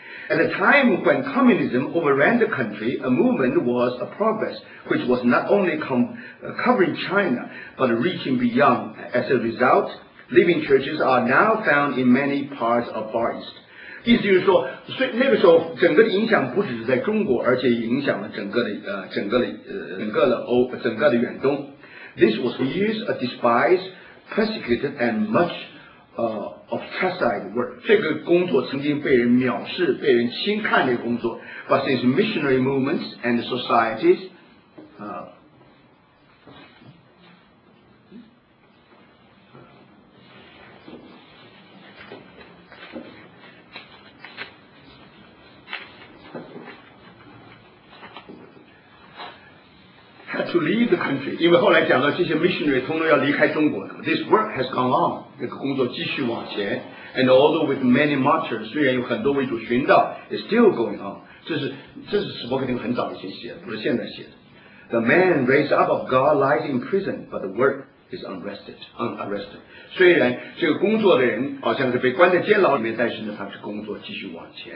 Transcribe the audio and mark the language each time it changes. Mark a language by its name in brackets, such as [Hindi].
[English] At a time when communism overran the country, a movement was a progress which was not only covering China, but reaching beyond. As a result, living churches are now found in many parts of Far East. [Chinese] 意思就是说，所以那个时候整个的影响不只是在中国，而且影响了整个的远东。 [English] This was for years a despised, persecuted, and much,of chastised work. [Chinese] 这个工作曾经被人藐视，被人轻看的工作。 [English] But since missionary movements and societies, had to leave the country. [Chinese] 因为后来讲到这些 missionary 通通要离开中国了。 [English] This work has gone on. [Chinese] 这个工作继续往前。 [English] And although with many martyrs, [Chinese] 虽然有很多为主殉道 [English] it's still going on. [Chinese] 这是史伯克丁很早以前写的，不是现在写的。 [English] The man raised up of God lies in prison, but the work is unarrested. [Chinese] 虽然这个工作的人好像是被关在监牢里面，但是呢，他是工作继续往前。